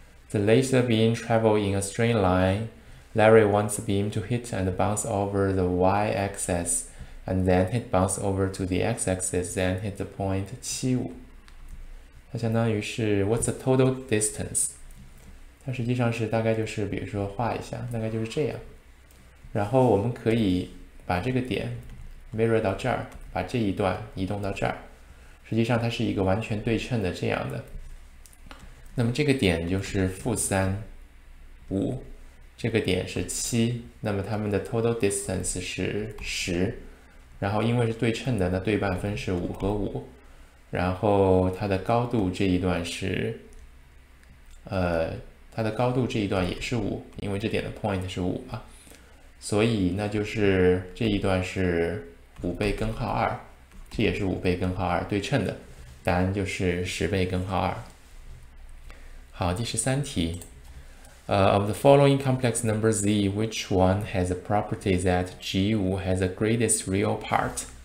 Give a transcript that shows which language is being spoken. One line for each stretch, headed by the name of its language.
English: The laser beam travels in a straight line. Larry wants the beam to hit and bounce over the y-axis, and then hit bounce over to the x-axis, then hit the point 75。
Chinese: 它相当于是
English: What's the total distance？
Chinese: 它实际上是大概就是，比如说画一下，大概就是这样。然后我们可以把这个点 mirror 到这儿，把这一段移动到这儿。实际上它是一个完全对称的这样的。那么这个点就是负三五，这个点是七，那么它们的
English: total distance
Chinese: 是十。然后因为是对称的，那对半分是五和五。然后它的高度这一段是，它的高度这一段也是五，因为这点的 point 是五嘛，所以那就是这一段是五倍根号二，这也是五倍根号二对称的，答案就是十倍根号二。好，第十三题，
English: of the following complex number z，which one has a property that g5 has the greatest real part？